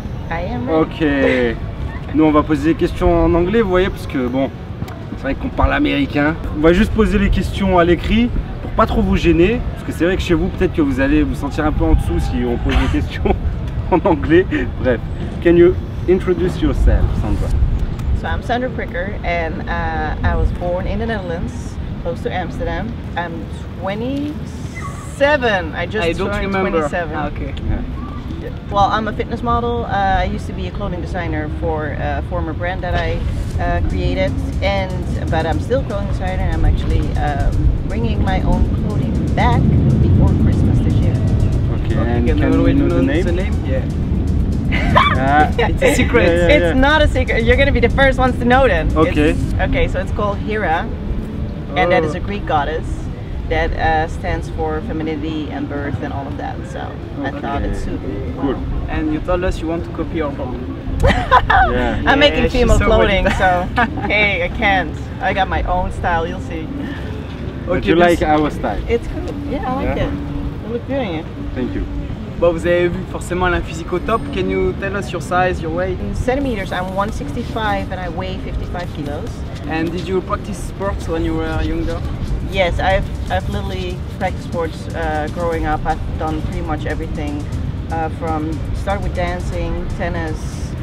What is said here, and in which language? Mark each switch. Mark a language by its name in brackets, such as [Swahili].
[English] I am ready. Ok. [French] Nous, on va poser des questions en anglais, vous voyez, parce que bon, c'est vrai qu'on parle américain. On va juste poser les questions à l'écrit pour pas trop vous gêner. Parce que c'est vrai que chez vous, peut-être que vous allez vous sentir un peu en dessous si on pose des questions en anglais. [English] Bref. Can you introduce yourself, Sandra? So I'm Sandra Pricker, and I was born in the Netherlands, close to Amsterdam. I'm 27. I just turned 27. Ah, okay. Yeah. Well, I'm a fitness model. I used to be a clothing designer for a former brand that I created, but I'm still a clothing designer. I'm actually bringing my own clothing back before Christmas this year. Okay. And can we know the name? Yeah. It's a secret. Yeah, yeah, yeah. It's not a secret. You're gonna be the first ones to know then. Okay. Okay, so it's called Hera. Oh. And that is a Greek goddess that stands for femininity and birth and all of that. So okay. I thought it's super cool. Wow. And you told us you want to copy our phone. I'm making female clothing, so hey, I can't. I got my own style, you'll see. Okay, you like our style? It's cool. Yeah, I like it. You look good in it. Thank you. [French] Bah, vous avez vu forcément la physique au top. [English] Can you tell us your size, your weight? In centimeters, I'm 165 and I weigh 55 kilos. And did you practice sports when you were younger? Yes, I've literally practiced sports growing up. I've done pretty much everything from start with dancing, tennis.